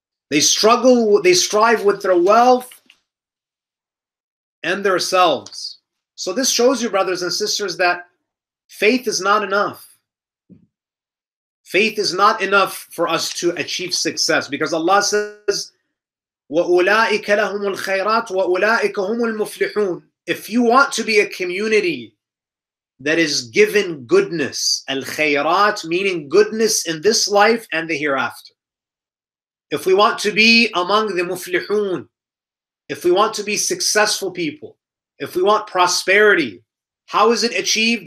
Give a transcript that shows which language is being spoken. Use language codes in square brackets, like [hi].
[en] They struggle, they strive with their wealth and their selves. So this shows you, brothers and sisters, that faith is not enough. Faith is not enough for us to achieve success. Because Allah says, [ar] وَأُولَٰئِكَ لَهُمُ الْخَيْرَاتُ وَأُولَٰئِكَ هُمُ الْمُفْلِحُونَ. [en] If you want to be a community that is given goodness, الخيرات, meaning goodness in this life and the hereafter. If we want to be among the muflihun, if we want to be successful people, if we want prosperity, how is it achieved?